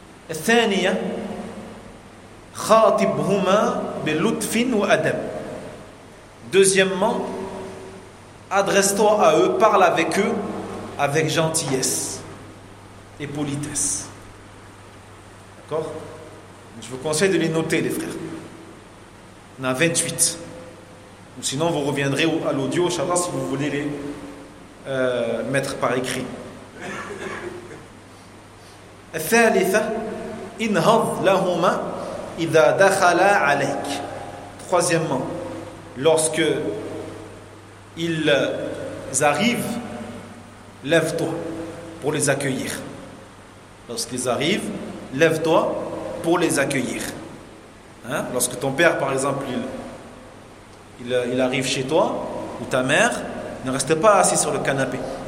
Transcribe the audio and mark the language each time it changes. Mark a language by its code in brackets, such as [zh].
[ar] الثانية خاطبهما بلطف وأدب. [fr] Deuxièmement, adresse-toi à eux, parle avec eux avec gentillesse et politesse. D'accord ? Je vous conseille de les noter, les frères. On a 28. Ou sinon, vous reviendrez à l'audio, inchallah, si vous voulez les mettre par écrit. [ar] الثالثة انهض لهما إِذَا دَخَلَا عَلَيْكَ. [fr] Troisièmement, lorsque ils arrivent, lève-toi pour les accueillir. Lorsqu'ils arrivent, lève-toi pour les accueillir. Hein? Lorsque ton père, par exemple, il arrive chez toi, ou ta mère, ne reste pas assis sur le canapé.